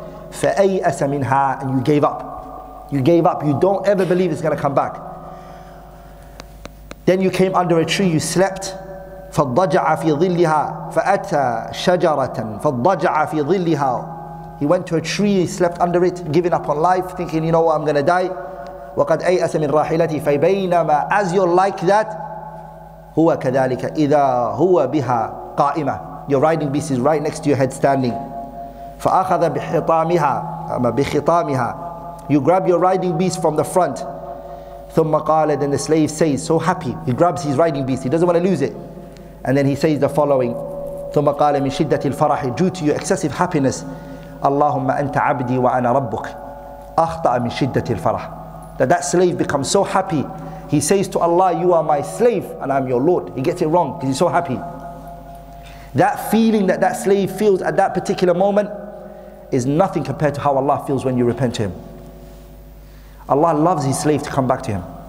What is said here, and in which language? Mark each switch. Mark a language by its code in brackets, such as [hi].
[ar] فَأَيْأَسَ مِنْهَا, [en] and you gave up. You gave up, you don't ever believe it's gonna come back. Then you came under a tree, you slept. [ar] فَالضَّجَعَ فِي ظِلِّهَا فَأَتَى شَجَرَةً فَالضَّجَعَ فِي ظِلِّهَا. [en] He went to a tree, he slept under it, giving up on life, thinking, you know what, I'm gonna die. [ar] وَقَدْ أَيْأَسَ مِنْ رَاحِلَتِي فَبَيْنَمَا, [en] as you're like that, [ar] هُوَ كَذَلِكَ إِذَا هُوَ بِهَا. [en] Qa'ima, your riding beast is right next to your head standing. [ar] فَأَخَذَ بِخِطَامِهَا, [en] you grab your riding beast from the front. [ar] ثم قال, [en] then the slave says, so happy, he grabs his riding beast, he doesn't want to lose it. And then he says the following, [ar] ثم قال من شدة الفرح, [en] due to your excessive happiness, [ar] اللهم أنت عبدي وأنا ربك, أخطأ من شدة الفرح. [en] That slave becomes so happy, he says to Allah, you are my slave and I'm your Lord. He gets it wrong because he's so happy. That feeling that slave feels at that particular moment is nothing compared to how Allah feels when you repent to Him. Allah loves His slave to come back to Him.